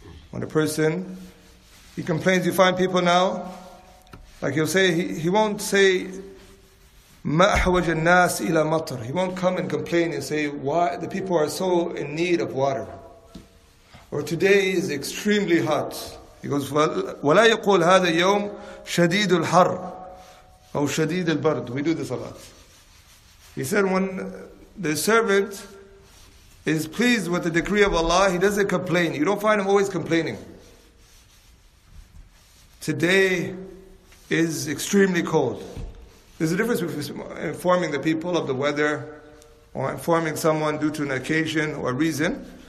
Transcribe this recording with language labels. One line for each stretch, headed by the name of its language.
English: When a person, he complains, you find people now, like he'll say, he won't say,
Arabic: مَا أَحْوَجَ النَّاسِ إِلَى مَطْرِ.
English: He won't come and complain and say, why the people are so in need of water. Or today is extremely hot. He goes,
Arabic: وَلَا يَقُولْ هَذَا الْيَوْمْ شَدِيدُ الْحَرِّ أَوْ شَدِيدُ الْبَرْدُ.
English: We do this a lot. He said, when the servant is pleased with the decree of Allah, he doesn't complain. You don't find him always complaining. Today is extremely cold. There's a difference between informing the people of the weather or informing someone due to an occasion or reason.